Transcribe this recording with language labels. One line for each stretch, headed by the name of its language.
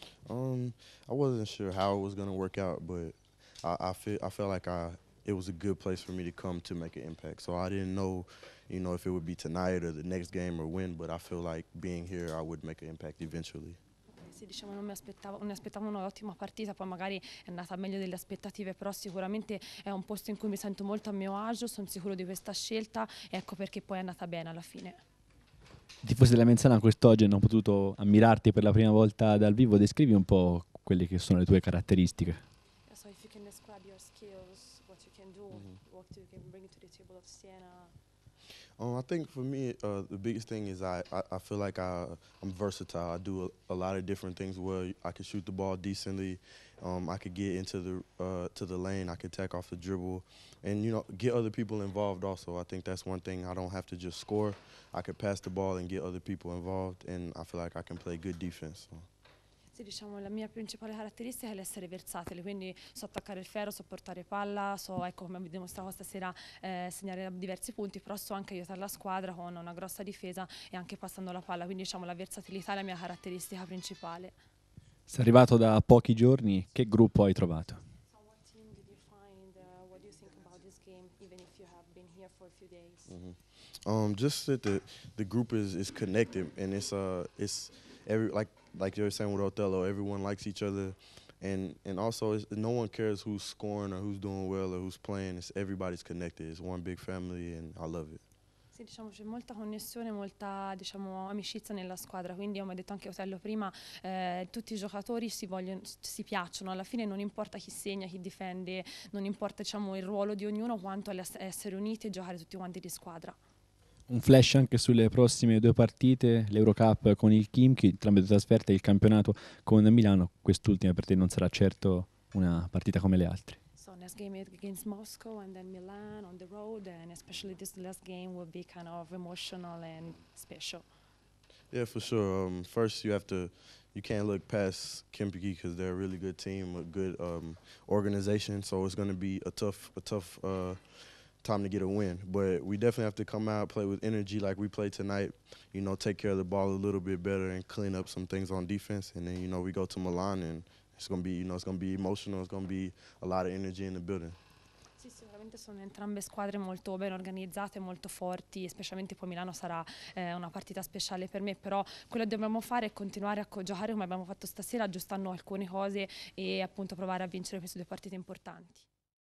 English: I wasn't sure how it was going to work out, but I felt like it was a good place for me to come to make an impact. So I didn't know, you know, if it would be tonight or the next game or when, but I feel like being here I would make an impact eventually.
Italian: Sì, diciamo, non mi aspettavo un'ottima partita, poi magari è andata meglio delle aspettative, però sicuramente è un posto in cui mi sento molto a mio agio, sono sicuro di questa scelta, e ecco perché poi è andata bene alla fine. I tifosi della Menzana quest'oggi hanno potuto ammirarti per la prima volta dal vivo. Descrivi un po' quelle che sono le tue caratteristiche.
English: So if you can describe your skills, what you can do, what you can bring to the table of Siena. I think for me the biggest thing is I feel like I'm versatile. I do a lot of different things well. I can shoot the ball decently. I could get into the to the lane. I could tack off the dribble, and you know, get other people involved. Also, I think that's one thing. I don't have to just score. I could pass the ball and get other people involved, and I feel like I can play good defense. So.
Italian: Sì, diciamo, la mia principale caratteristica è l'essere versatile, quindi so attaccare il ferro, so portare palla, so, ecco, come vi dimostravo stasera, segnare diversi punti, però so anche aiutare la squadra con una grossa difesa e anche passando la palla. Quindi, diciamo, la versatilità è la mia caratteristica principale. Sei arrivato da pochi giorni, che gruppo hai trovato?
English: So what team did you find? What do you think about this game, even if you have been here for a few days? Just that the group is connected, and it's every, like you were saying with Othello, everyone likes each other, and also no one cares who's scoring or who's doing well or who's playing. It's everybody's connected. It's one big family, and I love it.
Italian: Sì, diciamo, c'è molta connessione, molta, diciamo, amicizia nella squadra, quindi, come ha detto anche Otello prima, tutti i giocatori si piacciono, alla fine non importa chi segna, chi difende, non importa, diciamo, il ruolo di ognuno, quanto essere uniti e giocare tutti quanti di squadra. Un flash anche sulle prossime due partite, l'Eurocup con il Khimki, entrambe due trasferte, e il campionato con Milano. Quest'ultima per te non sarà certo una partita come le altre.
English: Next game against Moscow and then Milan on the road, and especially this last game will be kind of emotional and special. Yeah, for sure. First, you can't look past Kempegi because they're a really good team, a good organization. So it's going to be a tough time to get a win. But we definitely have to come out, play with energy like we played tonight. You know, take care of the ball a little bit better and clean up some things on defense. And then, you know, we go to Milan and it's going to be, you know, it's going to be emotional, it's going to be a lot of energy in the building.
Italian: Sì, sicuramente sono entrambe squadre molto ben organizzate, molto forti, specialmente poi Milano sarà una partita speciale per me, però quello che dobbiamo fare è continuare a giocare come abbiamo fatto stasera, aggiustando alcune cose e appunto provare a vincere queste due partite importanti.